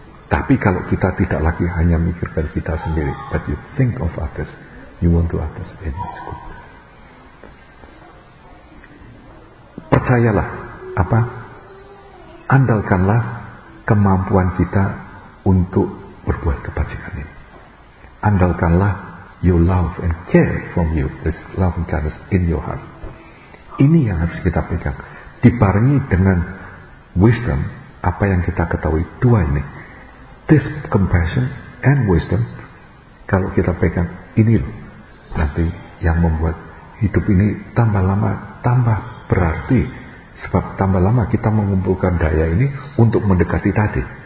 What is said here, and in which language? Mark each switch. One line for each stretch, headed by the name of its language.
Indonesian: Tapi kalau kita tidak lagi hanya mikirkan kita sendiri,
English: but you think of others, you want to others, and it's good.
Indonesian: Percayalah, apa, andalkanlah kemampuan kita untuk berbuat kebajikan ini. Andalkanlah
English: your love and care from you, this love and kindness in your heart.
Indonesian: Ini yang harus kita pegang. Dibarengi dengan wisdom, apa yang kita ketahui, dua ini.
English: This compassion and wisdom,
Indonesian: kalau kita pegang ini loh, nanti yang membuat hidup ini tambah lama tambah berarti, sebab tambah lama kita mengumpulkan daya ini untuk mendekati tadi.